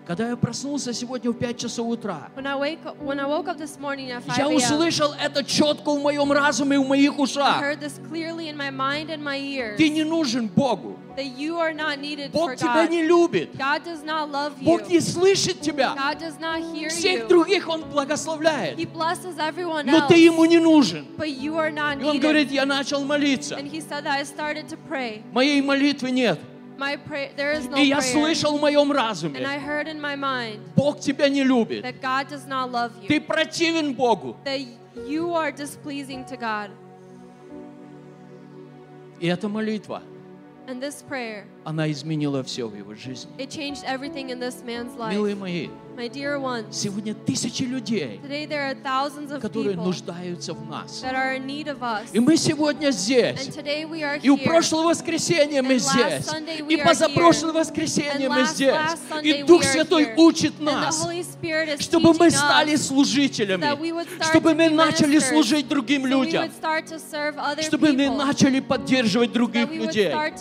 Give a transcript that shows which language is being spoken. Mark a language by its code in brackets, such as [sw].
[ru] Когда я проснулся сегодня в 5 часов утра, [en] when I woke up this morning at 5 [ru] я услышал это четко в моем разуме и в моих ушах. [en] I heard this clearly in my mind and my ears. [ru] Ты не нужен Богу. [en] That you are not needed [ru] Бог [en] for God. [ru] Тебя не любит. [en] God does not love you. [ru] Бог не слышит тебя. [en] God does not hear [ru] Всех [en] you. [ru] Других Он благословляет. [en] He blesses everyone [ru] Но [en] else. [ru] Ты Ему не нужен. [en] But you are not [ru] И Он [en] needed. [ru] Говорит, я начал молиться. [en] And he said that I started to pray. [ru] Моей молитвы нет. [en] My pray- there is no [ru] И [en] prayer. [ru] Я слышал в моем разуме. [en] And I heard in my mind [ru] Бог тебя не любит. [en] That God does not love you. [ru] Ты противен Богу. [en] That you are displeasing to God. [ru] И это молитва. [en] And this prayer, [ru] она изменила все в его жизни. [en] It changed everything in this man's life. [ru] Милые мои, [en] my dear ones, [ru] сегодня тысячи людей, [en] today there are thousands of [ru] которые [en] people [ru] нуждаются в нас. [en] That are in need of us. [ru] И мы сегодня здесь. [en] And today we are here. [ru] И в прошлое воскресенье мы здесь. [en] And last Sunday we [ru] И позапрошлое воскресенье мы здесь. [en] Last Sunday [ru] И Дух [en] we are [ru] Святой [en] here. [ru] Учит нас, чтобы мы стали служителями, чтобы мы начали служить другим [en] so [ru] людям, чтобы мы начали поддерживать других людей.